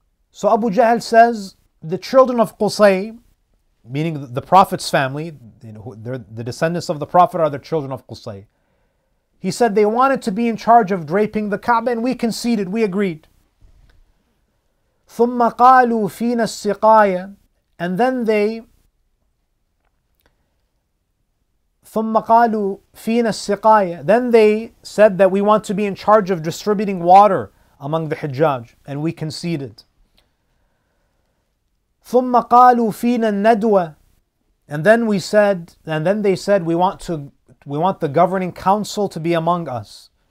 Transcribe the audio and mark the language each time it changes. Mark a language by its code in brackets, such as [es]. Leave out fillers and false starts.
[en] So Abu Jahl says, the children of Qusay, meaning the Prophet's family, you know, the descendants of the Prophet are the children of Qusay. He said they wanted to be in charge of draping the Kaaba, and we conceded, we agreed. [ar] ثُمَّ قَالُوا فِينَا السِّقَايَ. [en] And then they, [ar] ثُمَّ قَالُوا فِينَا السِّقَايَ. [en] Then they said that we want to be in charge of distributing water among the Hijaj, and we conceded. [ar] ثُمَّ قَالُوا فِينَا النَّدْوَةِ. [en] And then they said, we want the governing council to be among us.